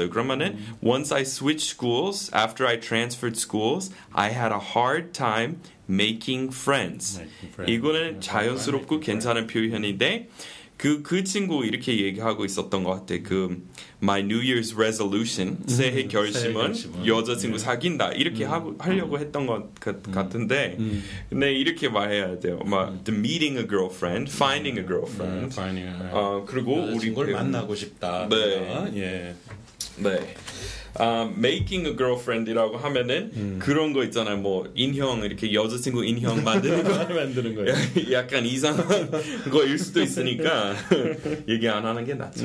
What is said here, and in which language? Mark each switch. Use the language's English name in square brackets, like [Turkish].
[Korean] 그러면은 [English] once I switched schools, after I transferred schools, I had a hard time making friends. [Korean] 이거는 자연스럽고 괜찮은 표현인데 그 친구 이렇게 얘기하고 있었던 것 같아. 그 [English] My New Year's Resolution [Korean] 새해 결심은 여자친구 네. 사귄다 이렇게 하려고 했던 것 같은데 근데 이렇게 말해야 돼요. [English] 막 The meeting a girlfriend, finding a girlfriend. [Korean] 그리고 여자친구를 우리 만나고 싶다. 네. 예. 네. [English] Making a girlfriend [Korean] 이라고 하면은 그런 거 있잖아요. 뭐 인형 이렇게 여자친구 인형 만드는 거 만드는 거예요. 약간 이상한 거일 수도 있으니까 얘기 안 하는 게 낫죠.